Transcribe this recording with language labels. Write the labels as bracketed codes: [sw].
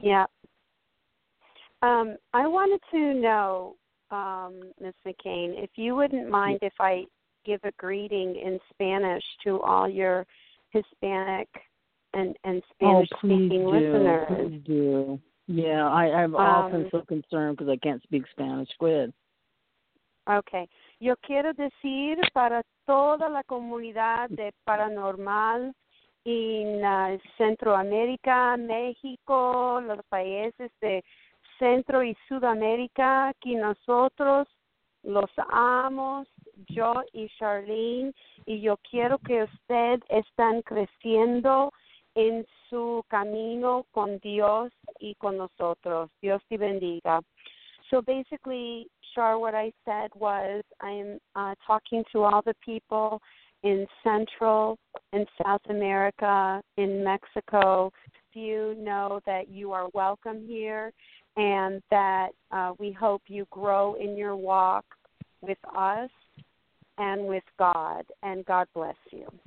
[en] Yeah. I wanted to know, Ms. McCain, if you wouldn't mind if I give a greeting in Spanish to all your Hispanic and Spanish-speaking listeners. Oh, please do. Yeah, I'm often so concerned because I can't speak Spanish. Go ahead. Okay. [es] Yo quiero decir para toda la comunidad de Paranormal en Centroamérica, México, los países de Centro y Sudamérica, que nosotros los amamos, yo y Charlene, y yo quiero que usted estén creciendo en su camino con Dios y con nosotros. Dios te bendiga. [en] So basically, Char, what I said was I'm talking to all the people in Central and South America, in Mexico. Do you know that you are welcome here and that we hope you grow in your walk with us and with God, and God bless you.